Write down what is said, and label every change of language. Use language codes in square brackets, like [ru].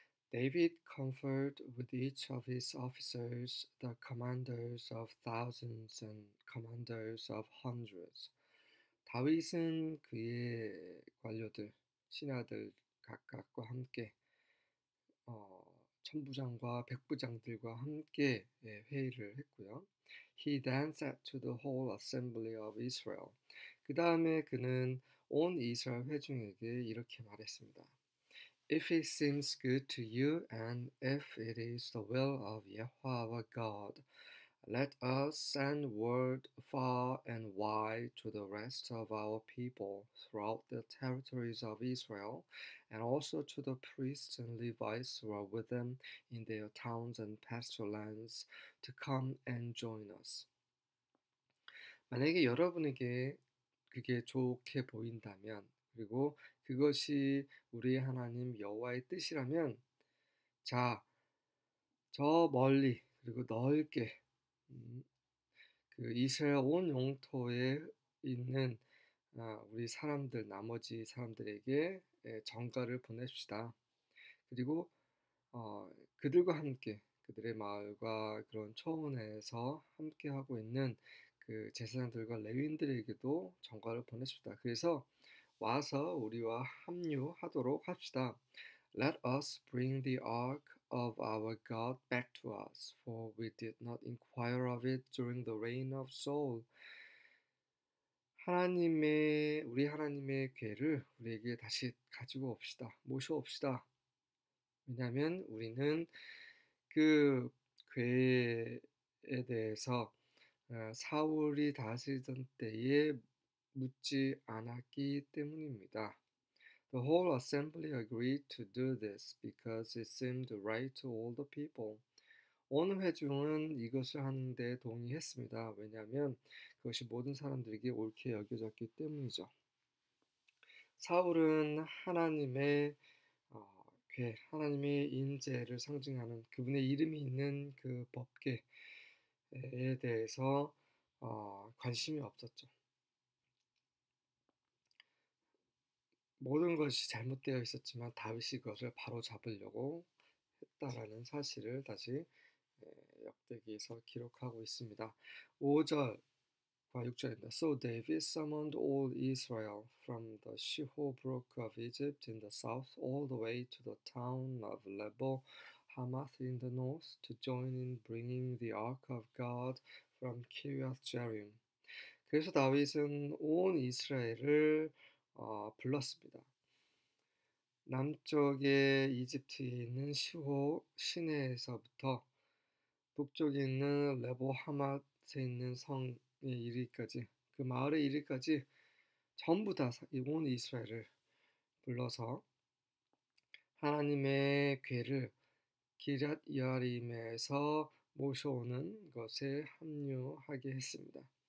[en] David conferred with each of his officers, the commanders of thousands and commanders of hundreds. [ko] 다윗은 그의 관료들, 신하들 각각과 함께 천부장과 백부장들과 함께 회의를 했고요. [en] He then said to the whole assembly of Israel. [ko] 그 다음에 그는 온 이스라엘 회중에게 이렇게 말했습니다. [en] If it seems good to you and if it is the will of Yahweh our God, let us send word far and wide to the rest of our people throughout the territories of Israel and also to the priests and Levites who are with them in their towns and pasture lands to come and join us. [ko] 만약에 여러분에게 그게 좋게 보인다면, 그리고 그것이 우리 하나님 여호와의 뜻이라면, 자, 저 멀리 그리고 넓게 그 이스라엘 온 영토에 있는 우리 사람들, 나머지 사람들에게 전갈을 보냅시다. 그리고 그들과 함께 그들의 마을과 그런 초원에서 함께 하고 있는 그 제사장들과 레위인들에게도 전갈을 보냅시다. 그래서 와서 우리와 합류하도록 합시다. [en] Let us bring the ark of our God back to us, for we did not inquire of it during the reign of Saul. [ko] 우리 하나님의 궤를 우리에게 다시 가지고 옵시다. 모셔옵시다. 왜냐하면 우리는 그 궤에 대해서 사울이 다스리던 때에 묻지 않았기 때문입니다. [en] The whole assembly agreed to do this because it seemed right to all the people. [ko] 온 회중은 이것을 하는 데 동의했습니다. 왜냐하면 그것이 모든 사람들에게 옳게 여겨졌기 때문이죠. 사울은 하나님의 궤, 하나님의 임재를 상징하는 그분의 이름이 있는 그 법궤에 대해서 관심이 없었죠. 모든 것이 잘못되어 있었지만 다윗이 그것을 바로 잡으려고 했다라는 사실을 다시 역대기에서 기록하고 있습니다. 5절과 6절입니다. [en] So David summoned all Israel from the Shihor Brook of Egypt in the south all the way to the town of Lebo Hamath in the north to join in bringing the Ark of God from Kiriath Jearim. [ko] 그래서 다윗은 온 이스라엘을 불렀습니다. 남쪽에 이집트에 있는 시호 시내에서부터 북쪽에 있는 레보 하맛에 있는 성에 이르기까지 그 마을에 이르기까지 전부 다온 이스라엘을 불러서 하나님의 궤를 기랏 이아림에서 모셔오는 것에 합류하게 했습니다.